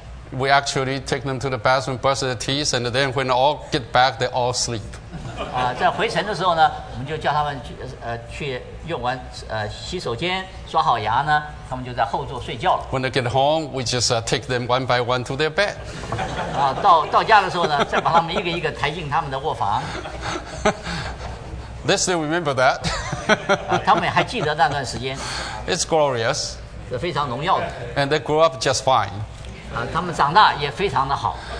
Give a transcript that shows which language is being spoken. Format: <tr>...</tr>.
<en>，we actually take them to the bathroom, brush their teeth, and then when all get back, they all sleep.</en> <zh>在回程的时候呢，我们就叫他们去用完洗手间，刷好牙呢，他们就在后座睡觉了。</zh> <en>When they get home, we just take them one by one to their bed.</en> <zh>到家的时候呢，再把他们一个一个抬进他们的卧房。</zh> <en>They still remember that.</en> <zh>他们还记得那段时间。</zh> <en>It's glorious.</en> <zh>是非常荣耀的。</zh> <en>And they grew up just fine.</en> <zh>他们长大也非常的好。</zh>